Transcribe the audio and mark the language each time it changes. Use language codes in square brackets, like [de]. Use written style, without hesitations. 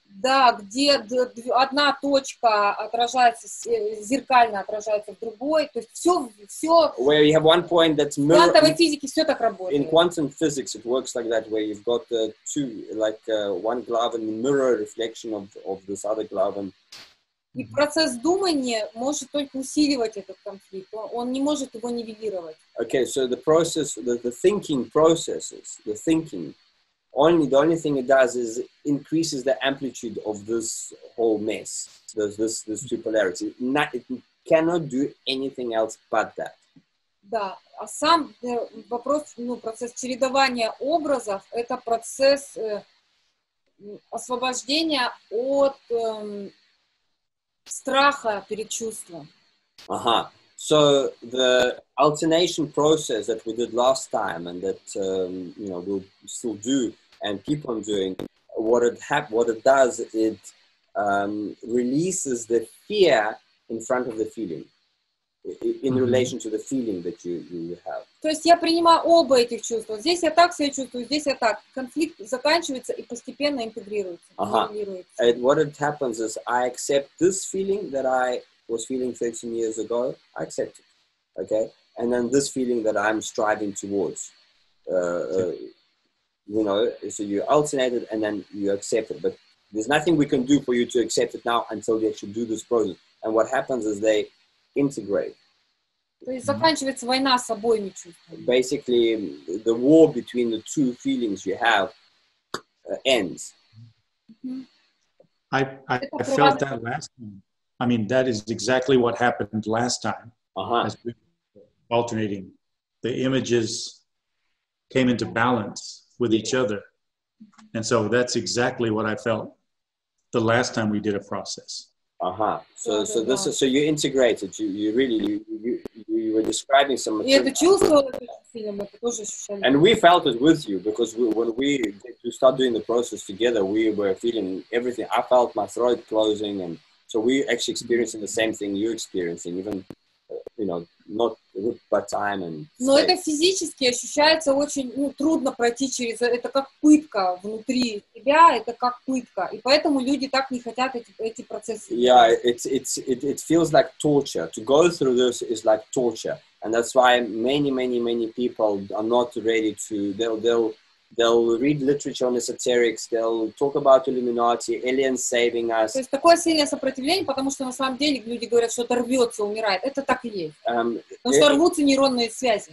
[ru] Да, где одна точка отражается, зеркально отражается в другой, то есть все. [en] Where you have one point that's mirror. [ru] В квантовой физике все так работает. [en] In quantum physics it works like that, where you've got two, like one glove and mirror reflection of this other glove. And... [ru] И процесс думания может только усиливать этот конфликт, он не может его нивелировать. [en] Okay, so the process, the thinking processes, the thinking. The only thing it does is increases the amplitude of this whole mess, this two polarity. It cannot do anything else but that. [ru] Да, а сам вопрос, ну, процесс чередования образов, это процесс освобождения от страха перед чувством. Ага. [en] So the alternation process that we did last time and that we'll still do and keep on doing, what it does, it releases the fear in front of the feeling, in relation to the feeling that you have. [ru] То есть я принимаю оба этих чувства. Здесь я так себя чувствую, здесь я так. Конфликт заканчивается и постепенно интегрируется. [en] And what it happens is I accept this feeling that I was feeling 13 years ago, I accept it, okay? And then this feeling that I'm striving towards, you know, so you alternate it and then you accept it. But there's nothing we can do for you to accept it now until you actually do this process. And what happens is they integrate. [ru] Заканчивается война с собой, не чувствую. [en] Basically, the war between the two feelings you have ends. I felt that last time. I mean, that is exactly what happened last time. Uh-huh. As we were alternating, the images came into balance with each other. And so that's exactly what I felt the last time we did a process. Uh-huh. So you integrated, you really were describing some and we felt it with you, because when we start doing the process together, we were feeling everything. I felt my throat closing, and so we actually experiencing the same thing you're experiencing, even not with by time and space. [ru] Но это физически ощущается очень, ну, трудно пройти через это, как пытка внутри тебя, это как пытка, и поэтому люди так не хотят эти процессы. [en] Yeah, it feels like torture. To go through this is like torture, and that's why many people are not ready to they'll They'll read literature on esoterics, they'll talk about Illuminati, aliens saving us. [ru] То есть такое сильное сопротивление, потому что на самом деле люди говорят, что это рвется, умирает. Это так и есть. Потому что рвутся нейронные связи.